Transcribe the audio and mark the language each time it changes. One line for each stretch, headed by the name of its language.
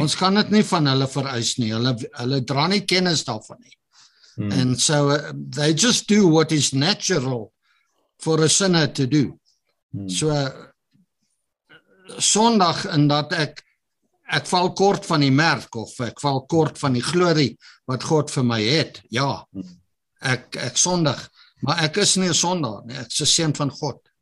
Afrikaans: Ons kan dit nie van hulle vereis nie. Hulle dra nie kennis daarvan nie.
English: And so they just do what is natural for a sinner to do.
Afrikaans: So Sondag in dat ek val kort van die merk of ek val kort van die glorie wat God vir my het. Ja. Ek sondig, maar ek is nie 'n sondaar nie. Ek is 'n seun van God.